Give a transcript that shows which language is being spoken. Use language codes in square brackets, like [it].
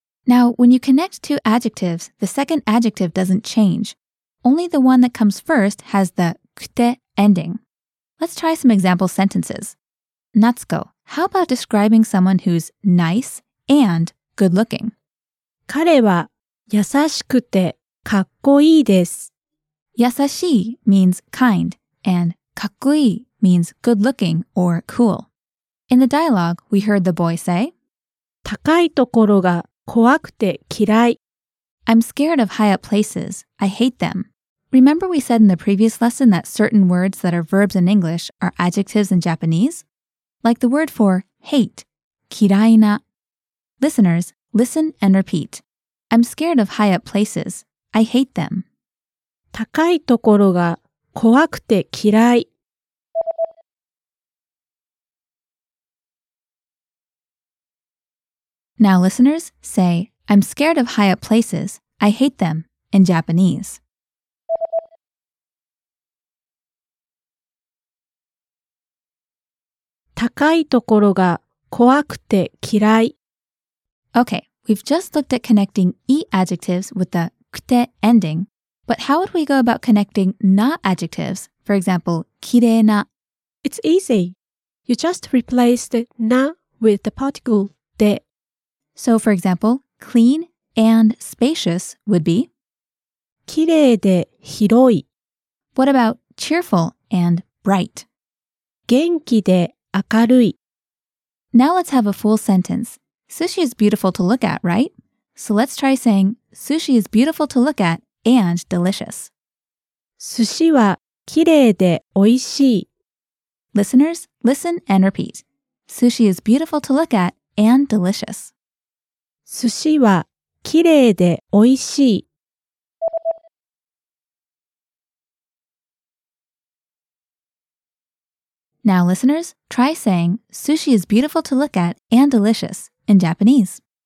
[en] Now, when you connect two adjectives, the second adjective doesn't change. Only the one that comes first has the くて ending. Let's try some example sentences. Natsuko, how about describing someone who's nice and good-looking? [ja] 彼は優しくてかっこいいです。 [en] 優しい means kind, and かっこいい means good-looking or cool. In the dialogue, we heard the boy say, [ja] 高いところが怖くて嫌い。 [en] I'm scared of high up places. I hate them. Remember we said in the previous lesson that certain words that are verbs in English are adjectives in Japanese? Like the word for hate, 嫌いな。Listeners, listen and repeat. I'm scared of high up places. I hate them. [ja] 高いところが怖くて嫌い。 [en] Now listeners, say, I'm scared of high up places, I hate them, in Japanese. [ja] 高いところが怖くて嫌い。 [en] Okay, we've just looked at connecting e adjectives with the くて ending, but how would we go about connecting na adjectives, for example, きれいな? It's easy. You just replace the na with the particle で. So, for example, clean and spacious would be? [ja] きれいで広い。 [en] What about cheerful and bright? [ja] 元気で明るい。 [en] Now let's have a full sentence. Sushi is beautiful to look at, right? So let's try saying, sushi is beautiful to look at and delicious. [ja] 寿司はきれいでおいしい。 [en] Listeners, listen and repeat. Sushi is beautiful to look at and delicious. [ja] 寿司はきれいでおいしい。 [en] Now, listeners, try saying, sushi is beautiful to look at and delicious in Japanese.